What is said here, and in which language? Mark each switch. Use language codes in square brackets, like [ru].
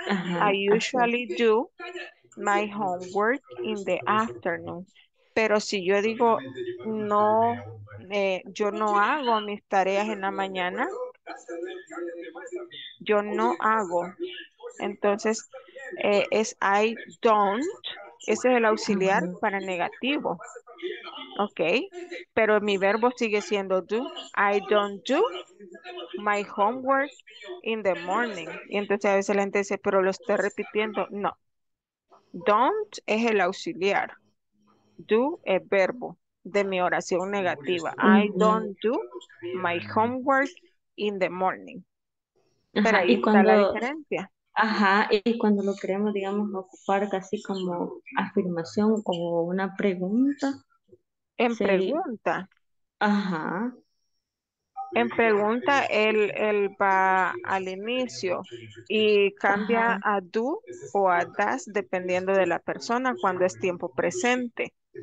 [en] I usually do my homework in the afternoon. [es] Pero si yo digo, no, yo no hago mis tareas en la mañana, yo no hago. Entonces, es [en] I don't. [es] Ese es el auxiliar para negativo. Ok. Pero mi verbo sigue siendo do. [en] I don't do my homework in the morning. [es] Y entonces a veces la gente dice, pero lo estoy repitiendo. No. Don't es el auxiliar. Do es verbo de mi oración negativa. [en] I don't do my homework in the morning. [es] Pero ahí está la diferencia. Ajá, y cuando lo queremos, digamos, ocupar casi como afirmación o una pregunta. En sí. Pregunta. Ajá. En pregunta, él va al inicio y cambia ajá a do o a das dependiendo de la persona cuando es tiempo presente.